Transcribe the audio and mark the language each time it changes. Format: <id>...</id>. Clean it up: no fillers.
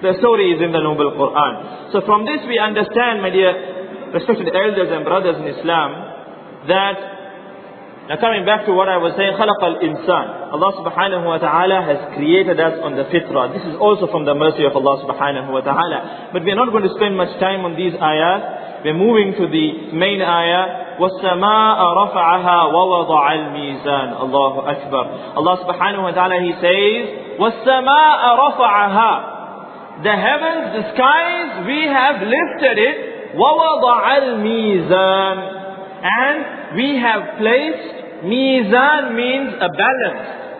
<en>The story is in the Noble Quran. So from this we understand, my dear respected elders and brothers in Islam, that Now coming back to what I was saying,</en> <ar>خلق الإنسان.</ar> <en>Allah subhanahu wa ta'ala has created us on the fitrah. This is also from the mercy of Allah subhanahu wa ta'ala. But we are not going to spend much time on these ayahs. We're moving to the main ayah.</en> <ar>وَالسَّمَاءَ رَفَعَهَا وَوَضَعَ الْمِيزَانِ Allahu Akbar.</ar> <en>Allah subhanahu wa ta'ala, He says,</en> <ar>وَالسَّمَاءَ رَفَعَهَا</ar> <en>The heavens, the skies, we have lifted it.</en> <ar>وَوَضَعَ الْمِيزَانِ</ar> <en>And we have placed, mizan means a balance.</en>